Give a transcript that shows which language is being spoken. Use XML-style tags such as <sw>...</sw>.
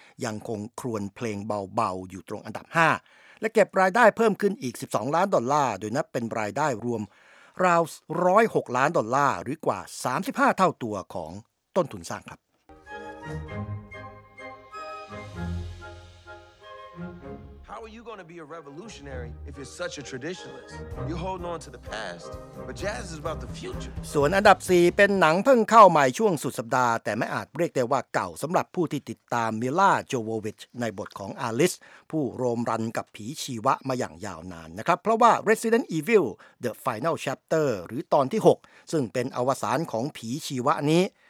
<th>ยังคงครวญเพลงเบาๆอยู่ตรงอันดับ5และเก็บรายได้เพิ่มขึ้นอีก12ล้านดอลลาร์โดยนับเป็นรายได้รวมราว106ล้านดอลลาร์หรือกว่า35เท่าตัวของต้นทุนสร้างครับ</th> <en>How are you going to be a revolutionary if you're such a traditionalist? You're holding on to the past, but jazz is about the future.</en> <th>ส่วนอันดับ4เป็นหนังเพิ่งเข้าใหม่ช่วงสุดสัปดาห์แต่ไม่อาจเรียกได้ว่าเก่าสำหรับผู้ที่ติดตามมิล่าโจโววิชในบทของอาลิสผู้โรมรันกับผีชีวะมาอย่างยาวนานนะครับเพราะว่า Resident Evil The Final Chapter หรือตอนที่6ซึ่งเป็นอวสานของผีชีวะนี้</th>